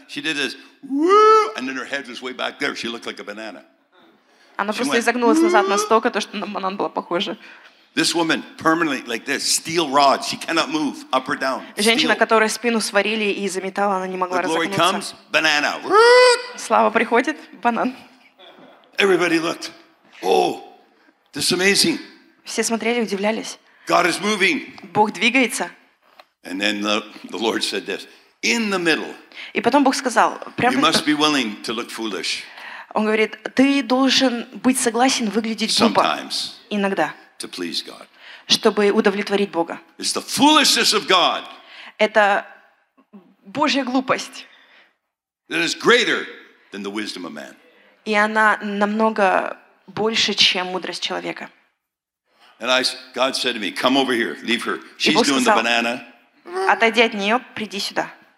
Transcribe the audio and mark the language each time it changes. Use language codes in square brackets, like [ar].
[en] She did this, woo, and then her head was way back there. She looked like a banana. [ru] Она просто изогнулась назад настолько, то что на банан была похожа. [en] This woman permanently like this, steel rod. She cannot move up or down. [ru] Женщина, которой спину сварили и заметала, она не могла разогнуться. [en] The glory comes, banana. [ru] Слава приходит, банан. [en] Everybody looked. Oh, this is amazing. [ru] Все смотрели, удивлялись. [en] God is moving. [ru] Бог двигается. [en] And then the Lord said this. In the middle. [ru] И потом Бог сказал, прямо. [en] You must be willing to look foolish. [ru] Он говорит, ты должен быть согласен выглядеть [en] sometimes [ru] глупо. Иногда. [en] To please God. [ru] Чтобы удовлетворить Бога. [en] It's the foolishness of God. [ru] Это Божья глупость. [en] That is greater than the wisdom of man. [ru] И она намного больше, чем мудрость человека. [en] And God said to me, come over here, leave her. She's doing the banana. [ru] Отойди от нее, приди сюда.